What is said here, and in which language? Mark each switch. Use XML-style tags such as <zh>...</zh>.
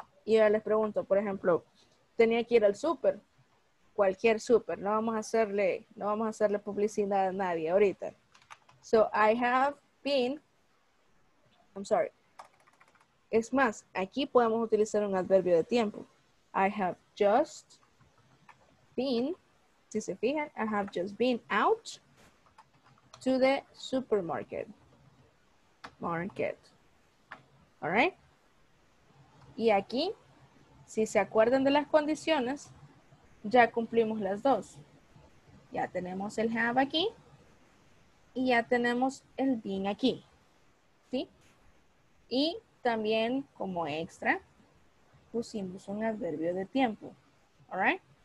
<es>Y yo les pregunto, por ejemplo, tenía que ir al súper, cualquier súper, no vamos a hacerle publicidad a nadie ahorita.</es> <en>So, I have been, I'm sorry.</en> <es>Es más, aquí podemos utilizar un adverbio de tiempo.</es> <en>I have just been,</en> <es>si se fijan,</es> <en>I have just been out to the supermarket. Market. All right?</en> <es>Y aquí, si se acuerdan de las condiciones, ya cumplimos las dos. Ya tenemos el have aquí y ya tenemos el been aquí. ¿Sí? Y también como extra pusimos un adverbio de tiempo.</es> <en>All right?</en>